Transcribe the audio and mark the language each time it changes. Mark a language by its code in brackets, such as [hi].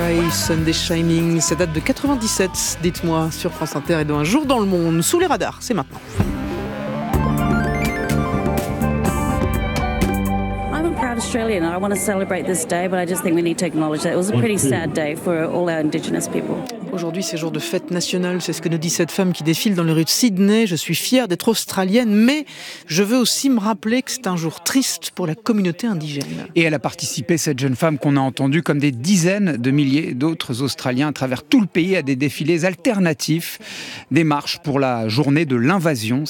[fr] Sunday Shining, ça date de 97, dites-moi, sur France Inter et dans Un jour dans le monde, sous les radars, c'est maintenant. [en] Australian, I want to celebrate this day, but I just think we need to acknowledge that it was a pretty sad day for all our Indigenous people. [fr] Aujourd'hui, c'est jour de fête nationale, c'est ce que nous dit cette femme qui défile dans les rues de Sydney. Je suis fière d'être australienne, mais je veux aussi me rappeler que c'est un jour triste pour la communauté indigène. Et elle a participé, cette jeune femme qu'on a entendue, comme des dizaines de milliers d'autres Australiens à travers tout le pays à des défilés alternatifs, des marches pour la journée de l'invasion.